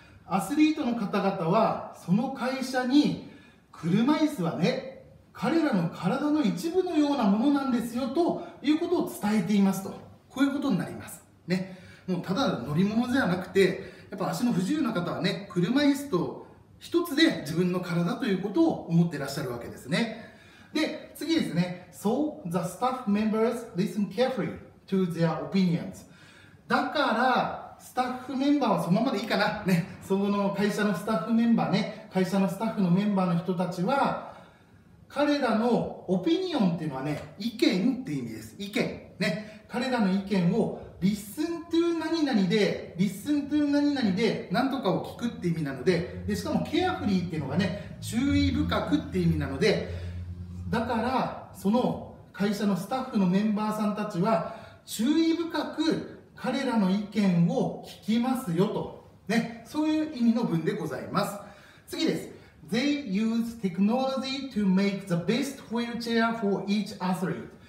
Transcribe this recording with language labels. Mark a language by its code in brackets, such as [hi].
[ja] アスリートの方々はその会社に、車椅子はね、彼らの体の一部のようなものなんですよということを伝えていますと、こういうことになりますね。もうただ乗り物じゃなくて、やっぱ足の不自由な方はね、車椅子と一つで自分の体ということを思ってらっしゃるわけですね。で、次ですね。 [en] So the staff members listen carefully to their opinions。 [ja] だからスタッフメンバーはそのままでいいかな、ね、その会社のスタッフメンバーね、会社のスタッフのメンバーの人たちは彼らのオピニオンっていうのはね、意見って意味です。意見ね、彼らの意見をリスントゥ何々で、リスントゥ何々で何とかを聞くって意味なの で、しかもケアフリーっていうのがね、注意深くって意味なので、だからその会社のスタッフのメンバーさんたちは注意深く彼らの意見を聞きますよと、ね、そういう意味の文でございます。次です。 [en] They use technology to make the best wheelchair for each athlete。